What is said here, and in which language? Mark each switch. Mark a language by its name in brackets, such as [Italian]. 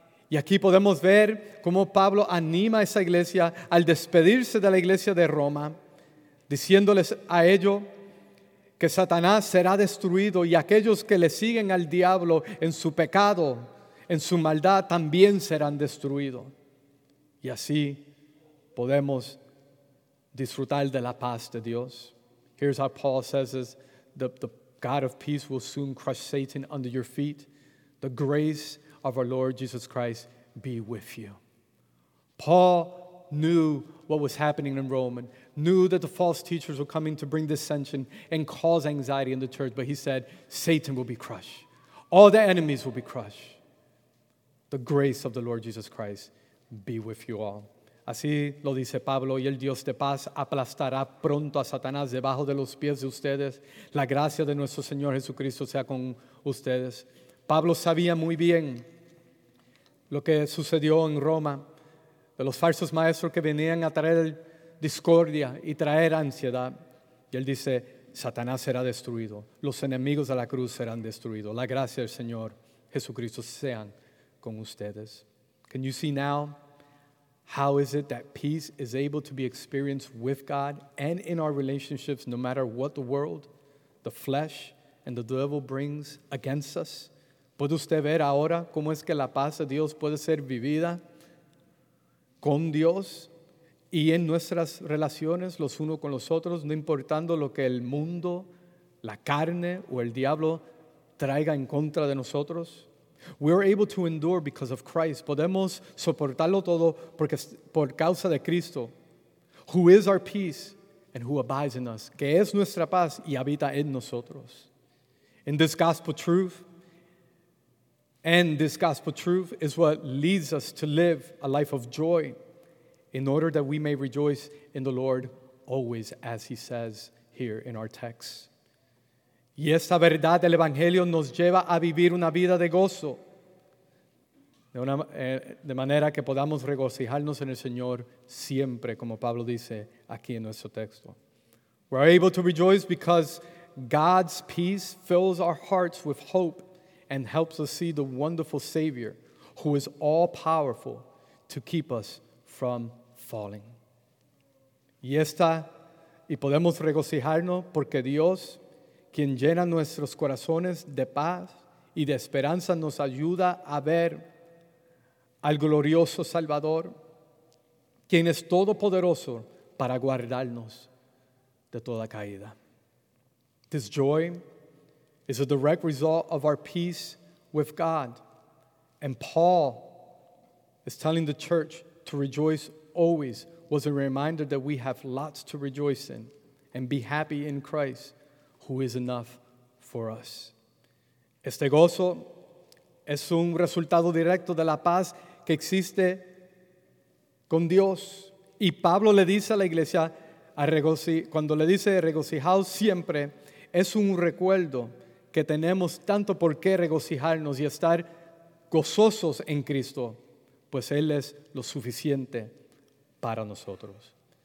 [Spanish] Y aquí podemos ver cómo Pablo anima a esa iglesia al despedirse de la iglesia de Roma, diciéndoles a ellos que Satanás será destruido y aquellos que le siguen al diablo en su pecado, en su maldad, también serán destruidos. Y así podemos disfrutar de la paz de Dios. [English] Here's how Paul says this: the God of peace will soon crush Satan under your feet. The grace of our Lord Jesus Christ be with you. Paul knew what was happening in Rome, and knew that the false teachers were coming to bring dissension and cause anxiety in the church, but he said, Satan will be crushed. All the enemies will be crushed. The grace of the Lord Jesus Christ be with you all. [Spanish] Así lo dice Pablo, y el Dios de paz aplastará pronto a Satanás debajo de los pies de ustedes. La gracia de nuestro Señor Jesucristo sea con ustedes. Pablo sabía muy bien lo que sucedió en Roma, de los falsos maestros que venían a traer discordia y traer ansiedad. Y él dice, Satanás será destruido, los enemigos de la cruz serán destruidos, la gracia del Señor Jesucristo sean con ustedes. [English] Can you see now how is it that peace is able to be experienced with God and in our relationships no matter what the world, the flesh, and the devil brings against us? [Spanish] ¿Puede usted ver ahora cómo es que la paz de Dios puede ser vivida con Dios y en nuestras relaciones los unos con los otros, no importando lo que el mundo, la carne o el diablo traiga en contra de nosotros? [English] We are able to endure because of Christ. [Spanish] Podemos soportarlo todo porque, por causa de Cristo, [English] who is our peace and who abides in us, [Spanish] que es nuestra paz y habita en nosotros. [English] In this gospel truth, and this gospel truth is what leads us to live a life of joy in order that we may rejoice in the Lord always, as he says here in our text. [Spanish] Y esta verdad del Evangelio nos lleva a vivir una vida de gozo, de manera que podamos regocijarnos en el Señor siempre, como Pablo dice aquí en nuestro texto. [English] We're able to rejoice because God's peace fills our hearts with hope and helps us see the wonderful Savior who is all-powerful to keep us from falling. [Spanish] Y esta, y podemos regocijarnos porque Dios, quien llena nuestros corazones de paz y de esperanza, nos ayuda a ver al glorioso Salvador, quien es todopoderoso para guardarnos de toda caída. [English] This joy is a direct result of our peace with God. And Paul is telling the church to rejoice always was a reminder that we have lots to rejoice in and be happy in Christ, who is enough for us. [Spanish] Este gozo es un resultado directo de la paz que existe con Dios. Y Pablo le dice a la iglesia, cuando le dice regocijaos siempre, es un recuerdo que tenemos tanto por qué regocijarnos y estar gozosos en Cristo, pues Él es lo suficiente para nosotros.